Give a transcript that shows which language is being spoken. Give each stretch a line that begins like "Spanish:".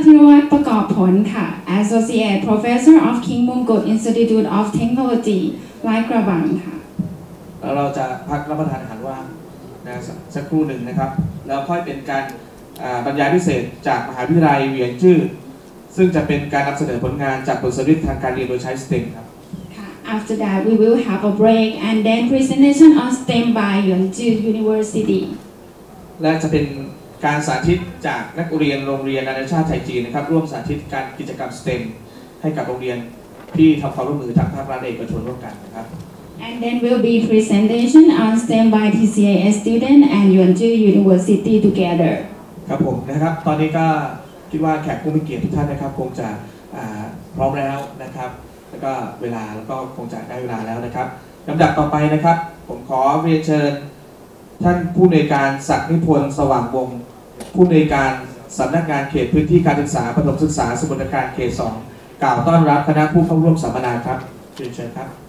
English: Thirawat ประกอบผลค่ะ Associate Professor of King Mongkut Institute of Technology รายกระบังค่ะ
Thai: แล้วเราจะพักรับประทานอาหารว่างสักครู่หนึ่งนะครับแล้วค่อยเป็นการบรรยายพิเศษจากมหาวิทยาลัยเวียงจื้อซึ่งจะเป็นการนำเสนอผลงานจากบทสรุปทางการเรียนโดยใช้ STEM ครับ
English: After that we will have a break and then presentation on STEM by Yeongju University
Thai: และจะเป็นการสาธิตจากนักเรียนโรงเรียนนานาชาติไทยจีนนะครับร่วมสาธิตการกิจกรรม STEM ให้กับโรงเรียนที่ทำความร่วมมือทั้งภาครัฐเอกชนร่วมกันนะครับ
English: And then will be presentation on STEM by TCIS student and Yeongju University together.
Thai: ครับผมนะครับตอนนี้ก็คิดว่าแขกผู้มีเกียรติทุกท่านนะครับคงจะพร้อมแล้วนะครับแล้วก็เวลาแล้วก็คงจะได้เวลาแล้วนะครับลำดับต่อไปนะครับผมขอเรียนเชิญท่านผู้อำนวยการศักดิ์นิพนธ์สว่างวงศ์ผู้อำนวยการสำนักงานเขตพื้นที่การศึกษาประถมศึกษาสมุทรปราการเขต2กล่าวต้อนรับคณะผู้เข้าร่วมสัมมนาครับเรียนเชิญครับ